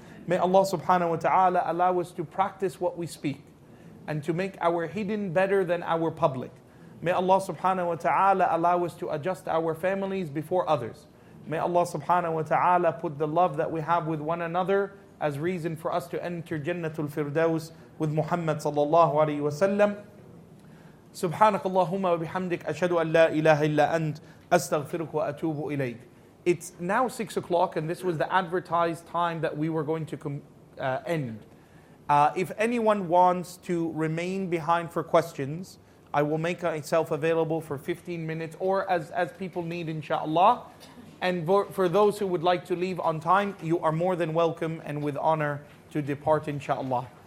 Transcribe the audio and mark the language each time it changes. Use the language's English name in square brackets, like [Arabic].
[English] May Allah subhanahu wa ta'ala allow us to practice what we speak and to make our hidden better than our public. May Allah subhanahu wa ta'ala allow us to adjust our families before others. May Allah subhanahu wa ta'ala put the love that we have with one another as reason for us to enter Jannatul Firdaus with Muhammad sallallahu alayhi wa sallam. [Arabic] سبحانك اللهم وبحمدك أشهد أن لا إله إلا أنت أستغفرك وأتوب إليك. [English] It's now 6 o'clock and this was the advertised time that we were going to end. If anyone wants to remain behind for questions, I will make myself available for 15 minutes or as people need inshallah. And for those who would like to leave on time, you are more than welcome and with honor to depart inshallah.